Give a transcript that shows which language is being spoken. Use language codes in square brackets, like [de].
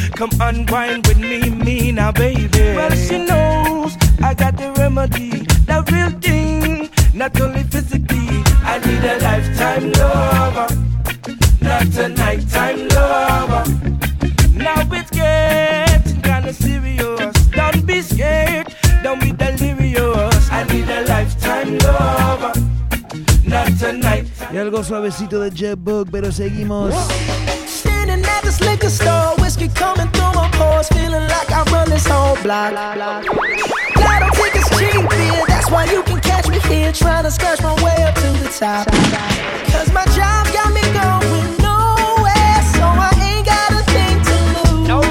[en] Come unwind with me now, baby. Well, she knows I got the remedy, the real thing, not only physically. I need a lifetime lover, not a nighttime lover. Now it's getting kinda serious. Don't be scared, don't be delirious. I need a lifetime lover, not a nighttime. [es] Y algo suavecito de Jet Book, pero seguimos. [en] Standing at this liquor store, whiskey coming through my pores, feeling like I run this whole block. Gotta take this cheap beer, that's why you can catch me here, trying to scratch my way up to the top. Cause my job got me going nowhere, so I ain't got a thing to lose.